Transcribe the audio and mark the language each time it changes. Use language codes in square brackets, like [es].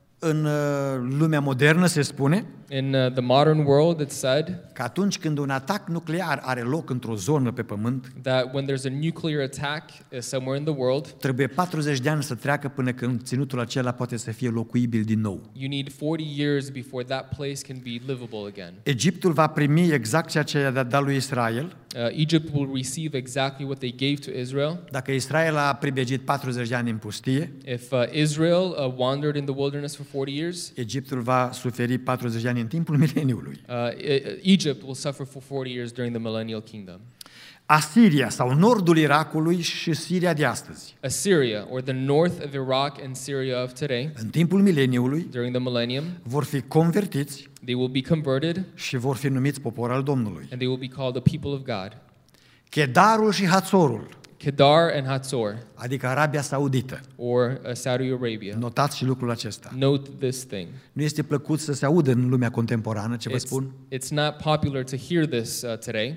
[ro] în lumea modernă se spune [en] in the modern world it's said [ro] că atunci când un atac nuclear are loc într-o zonă pe pământ [en] that when there's a nuclear attack somewhere in the world [ro] trebuie 40 de ani să treacă până când ținutul acela poate să fie locuibil din nou. [en] You need 40 years before that place can be livable again. [ro] Egiptul va primi exact ceea ce a dat lui Israel. [en] Egypt will receive exactly what they gave to Israel. [ro] Dacă Israel a pribegit 40 de ani în pustie, [en] if Israel wandered in the wilderness for 40 years, [ro] Egiptul va suferi 40 de ani în timpul mileniului. [en] Egypt will suffer for 40 years during the millennial kingdom. [ro] Asiria sau nordul Irakului și Siria de astăzi. [en] Assyria or the north of Iraq and Syria of today. [ro] În timpul mileniului, [en] during the millennium, [ro] vor fi convertiți. [en] They will be converted. [ro] Și vor fi numiți popor al Domnului. [en] And they will be called the people of God. [ro] Kedarul și Hațorul. [en] Kedar and Hațor. [ro] Adică Arabia Saudită. [en] Or Saudi Arabia. [ro] Notați și lucrul acesta. [en] Note this thing. [ro] Nu este plăcut să se audă în lumea contemporană ce vă spun. [en] It's not popular to hear this today.